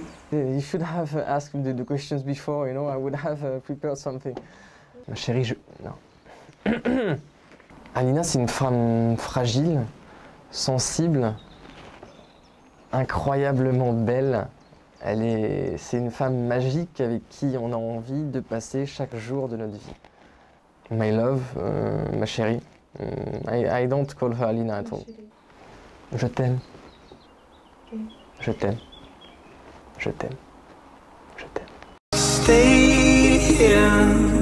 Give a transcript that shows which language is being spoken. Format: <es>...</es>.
<en>You should have asked the questions before, you know, I would have prepared something.</en> <fr>Ma chérie, je... Non. Alina, c'est une femme fragile, sensible, incroyablement belle. C'est une femme magique avec qui on a envie de passer chaque jour de notre vie.</fr> <en>My love,</en> <fr>ma chérie,</fr> <en>I don't call her Alina at all.</en> <fr>Je t'aime. Okay. Je t'aime. Je t'aime. Je t'aime.</fr> <en>Stay here.</en>